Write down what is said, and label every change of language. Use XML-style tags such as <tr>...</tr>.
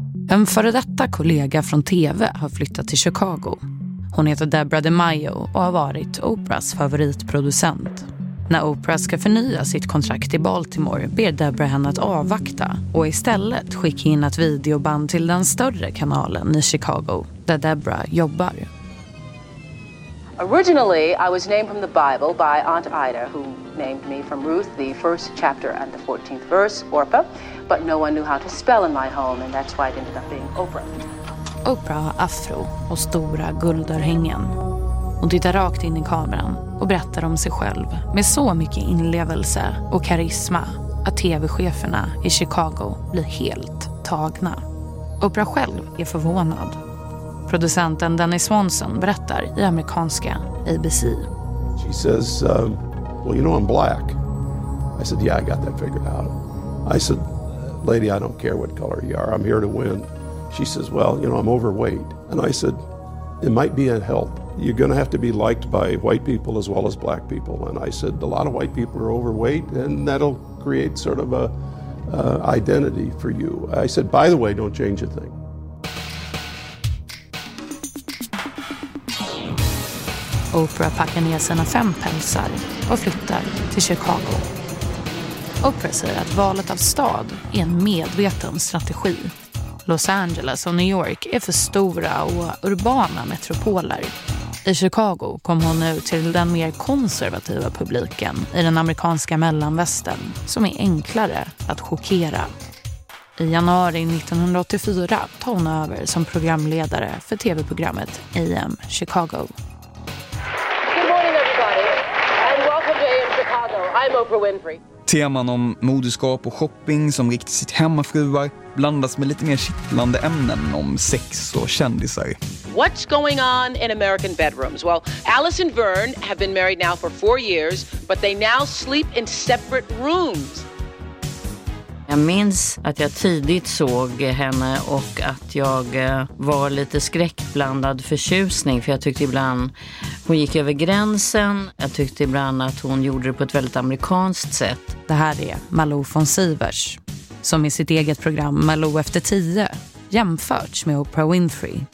<sv>En före detta kollega från TV har flyttat till Chicago. Hon heter Deborah DeMaio och har varit Oprahs favoritproducent. När Oprah ska förnya sitt kontrakt i Baltimore ber Deborah henne att avvakta och istället skicka in ett videoband till den större kanalen i Chicago där Deborah jobbar.</sv> <en>Originally, I was named from the Bible by Aunt Ida, who named me from Ruth, the first chapter and the 14th verse, Orpah. But no one knew how to spell in my home, and that's why it ended up being Oprah.</en> <sv>Oprah har afro och stora guldörhängen. Hon tittar rakt in i kameran och berättar om sig själv med så mycket inlevelse och karisma att tv-cheferna i Chicago blir helt tagna. Oprah själv är förvånad. Producenten Danny Swanson berättar i amerikanska ABC.</sv> <en>She says, well, you know I'm black. I said, yeah, I got that figured out. I said, lady, I don't care what color you are. I'm here to win. She says, well, you know, I'm overweight. And I said, it might be a help. You're going to have to be liked by white people as well as black people. And I said, a lot of white people are overweight, and that'll create sort of a identity for you. I said, by the way, don't change a thing.</en> <sv>Oprah packar ner sina 5 pälsar och flyttar till Chicago. Oprah säger att valet av stad är en medveten strategi. Los Angeles och New York är för stora och urbana metropoler. I Chicago kom hon nu till den mer konservativa publiken i den amerikanska mellanvästern som är enklare att chockera. I januari 1984 tar hon över som programledare för tv-programmet AM Chicago. Teman om moderskap och shopping som riktigt sitt hemmafruar blandas med lite mer kittlande ämnen om sex och kändisar.</sv> <en>What's going on in American bedrooms? Well, Alice and Vern have been married now for 4 years, but they now sleep in separate rooms.</en> <sv>Jag minns att jag tidigt såg henne och att jag var lite skräckblandad förtjusning. För jag tyckte ibland hon gick över gränsen. Jag tyckte ibland att hon gjorde det på ett väldigt amerikanskt sätt. Det här är Malou von Sivers som i sitt eget program Malou efter 10 jämförts med Oprah Winfrey.</sv>